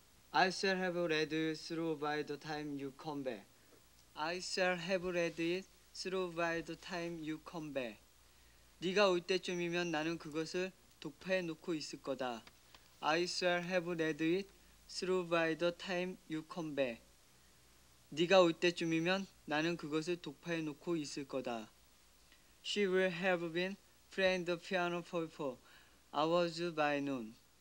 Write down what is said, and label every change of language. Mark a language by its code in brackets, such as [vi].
[en] I shall have read it through by the time you come back. I shall have read it through by the time you come back. [ko] 네가 올 때쯤이면 나는 그것을 독파해 놓고 있을 거다. [en] I shall have read it through by the time you come back. [ko] 네가 올 때쯤이면 나는 그것을 독파해 놓고 있을 거다. [en] She will have been playing the piano for 4 hours by noon.